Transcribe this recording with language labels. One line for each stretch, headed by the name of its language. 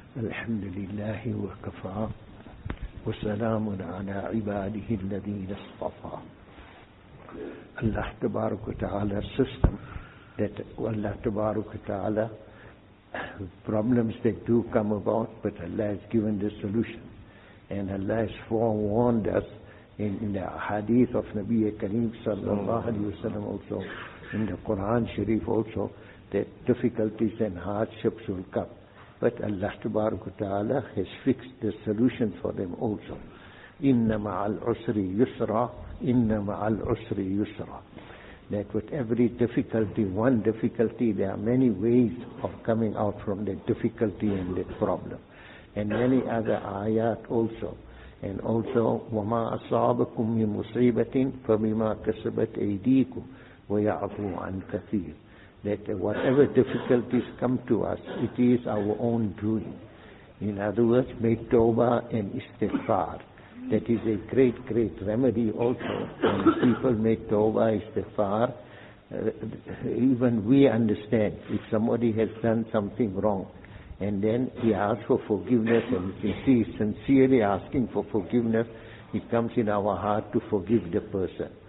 Arabic: الحمد لله وكفى وسلام على عباده الذين اصطفى.
English: الله تبارك وتعالى system that Allah تبارك وتعالى problems that do come about, but Allah has given the solution, and Allah has forewarned us in the hadith of Nabi Kareem sallallahu alayhi wa sallam, also in the Quran Sharif also, that difficulties and hardships will come. But Allah Tabaraka Ta'ala has fixed the solution for them also.
Arabic: Inna ma'al usri yusra, inna ma'al usri yusra.
English: That with every difficulty, one difficulty, there are many ways of coming out from that difficulty and that problem. And many other ayat also.
Arabic: And also, وَمَا أَصَابَكُمْ مِنْ مُصِيبَةٍ فَبِمَا كَسَبَتْ أَيْدِيكُمْ وَيَعْفُوا عَنْ كَثِيرٍ.
English: That whatever difficulties come to us, it is our own doing. In other words, make tawbah and istighfar. That is a great, great remedy also. When people make tawbah, istighfar, even we understand if somebody has done something wrong, and then he asks for forgiveness, and if he is sincerely asking for forgiveness, it comes in our heart to forgive the person.